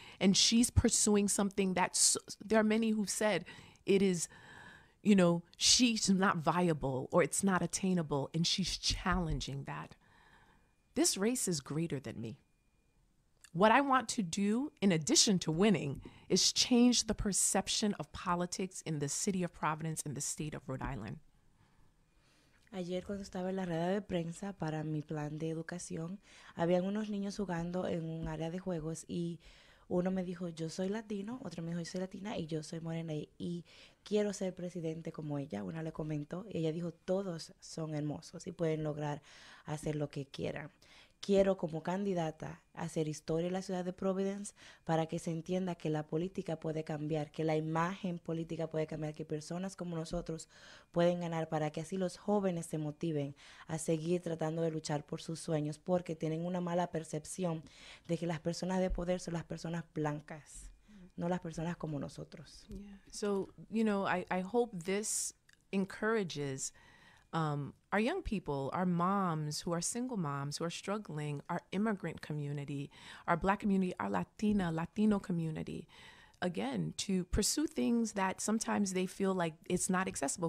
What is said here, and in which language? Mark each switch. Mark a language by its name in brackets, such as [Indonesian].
[English] And she's pursuing something that there are many who've said it is, you know, she's not viable or it's not attainable, and she's challenging that. This race is greater than me. What I want to do, in addition to winning, is change the perception of politics in the city of Providence and the state of Rhode Island. [Spanish] Ayer, cuando estaba en la rueda de prensa para mi plan de educación, habían unos niños jugando en un área de juegos y uno me dijo, "Yo soy latino", otro me dijo, "Yo soy latina", y "Yo soy morena y quiero ser presidente como ella", una le comentó, y ella dijo, "Todos son hermosos y pueden lograr hacer lo que quieran. Quiero como candidata hacer historia en la ciudad de Providence para que se entienda que la política puede cambiar, que la imagen política puede cambiar, que personas como nosotros pueden ganar para que así los jóvenes se motiven a seguir tratando de luchar por sus sueños porque tienen una mala percepción de que las personas de poder son las personas blancas, no las personas como nosotros. [English] Yeah. So, you know, I hope this encourages our young people, our moms who are single moms, who are struggling, our immigrant community, our black community, our Latino community, again, to pursue things that sometimes they feel like it's not accessible.